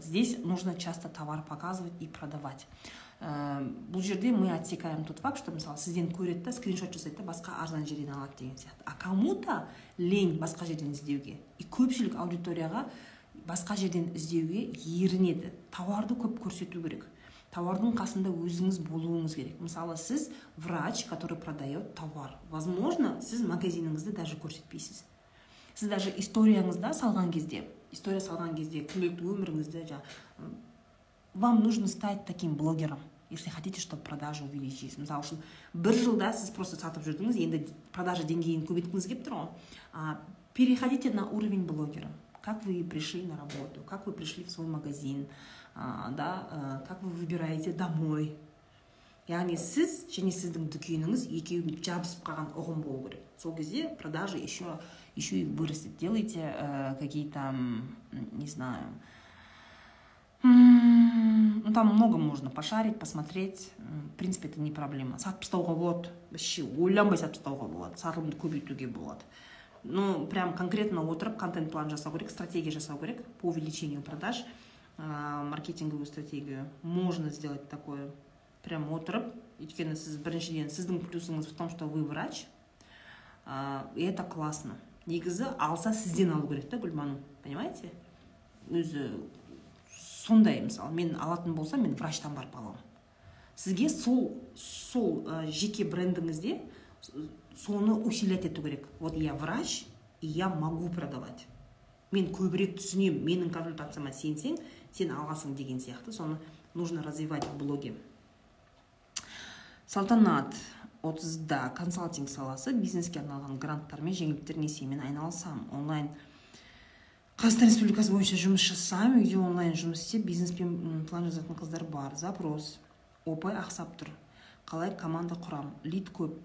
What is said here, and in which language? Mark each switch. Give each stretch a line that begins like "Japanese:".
Russian: Здесь нужно часто товар показывать и продавать.
Kazakh: Бұл жерде
Russian: мы отсекаем тот факт, что
Kazakh: мысалы сізден көреді да, скриншот жасайды да, басқа арзан жерден алады деген сияқты.
Russian: А кому-то лень
Kazakh: басқа жерден іздеуге. И көпшілік аудиторияға басқа жерден іздеуге ерінеді. Тауарды көп көрсету керек. Тауардың қасында өзіңіз болуыңыз керек. Мысалы, сіз
Russian: врач, который продает товар.
Kazakh: Возможно, сіз магазиніңізді даже көрсетпейсіз. Сіз даже историяңызда салған кезде, история салған кезде, күнделікті өміріңізді
Russian: вам нужно стать таким блогером, если хотите, чтобы продажи увеличились.
Kazakh: Мысалы үшін, бір жылда сіз просто сатып жүрдіңіз, енді продажа деңгейін көбейткіңіз келіп тұр ғой.
Russian: Переходите на уровень блогера. Как вы пришли на работу, как вы пришли в свой магазин, как вы выбираете домой.
Kazakh: Яғни сіз және сіздің дүкеніңіз екеуі жабысып қалған ұғым болу керек. Сол кезде
Russian: продажи еще и вырастет. Делайте какие-то, не знаю, там много можно пошарить, посмотреть. В принципе, это не проблема.
Kazakh: Сатып тастауға болады. Вообще, ойланбай сатып тастауға болады. Сатылымды көбейтуге болады.
Russian: Ну, прям конкретно
Kazakh: отырып, контент-план жасау керек,
Russian: стратегия жасау керек по увеличению продаж, маркетинговую стратегию. Можно сделать такое прям
Kazakh: отырып. Өйткені сіз біріншіден, сіздің плюсыңыз
Russian: в том, что вы врач. И это классно.
Kazakh: Негізі алса сізден алу керек та, Гүлманым.
Russian: Понимаете?
Kazakh: Өзі сондай, мысалы, мен алатын болса, мен врачтан барып алам. Сізге сол жеке брендіңізде соны усилять ету керек.
Russian: Вот я врач, и я могу продавать.
Kazakh: Мен көбірек түсінем, менің консультацияма сенсең, сен аласың деген сияқты. Соны
Russian: нужно развивать в блоге.
Kazakh: Салтанат 30-да консалтинг саласы, бизнеске арналған гранттар мен жеңілдіктер несиемен айналсам, онлайн Қазақстан Республикасы бойынша жұмыс жасаймын, үйде онлайн жұмыс істеп, бизнеспен план жазатын қыздар бар. Запрос. Опай ақсап тұр. Қалай команда құрам? Лид көп.